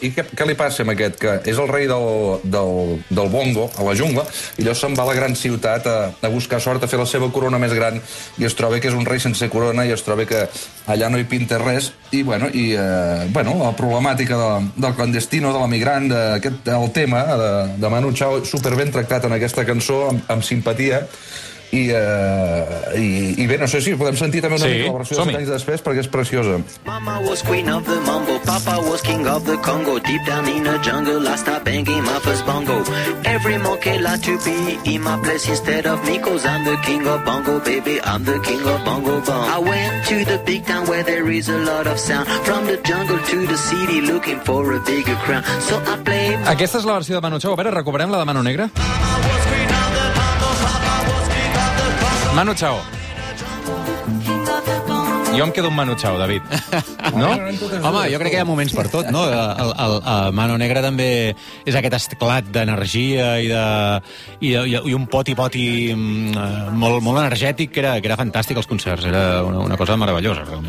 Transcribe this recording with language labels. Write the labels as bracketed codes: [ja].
[ca] I què li passa amb aquest, que és el rei del bongo a la jungla, i llavors se'n va a la gran ciutat a buscar sort, a fer la seva corona més gran, i es troba que és un rei sense corona, i es troba que allà no hi pinta res, i bueno, la problemàtica del Clandestino, de l'emigrant, el tema de Manu Chao, superben tractat en aquesta cançó, amb simpatia, i bé, no sé si podem sentir també una mica la versió de 7 anys després, perquè és preciosa. [en] Mama was queen of the mambo, papa was king of the Congo, deep down in a jungle, I start banging my first bongo. Every monkey like to be in my place instead of me, cause I'm the king of bongo, baby, I'm the king of bongo bong. I went to the big town where there is a lot of sound, from the jungle to the city, looking for a bigger crown. So I play... [ca] Aquesta és la versió de Manu Chao. A veure, recobrem la de Manu Negra? Manu Chao. Jo em quedo amb Manu Chao, David. No? Home, jo crec que hi ha moments per tot, no? El Mano Negra també és aquest esclat d'energia i un poti-poti molt, molt energètic, que era fantàstic als concerts, era una cosa meravellosa.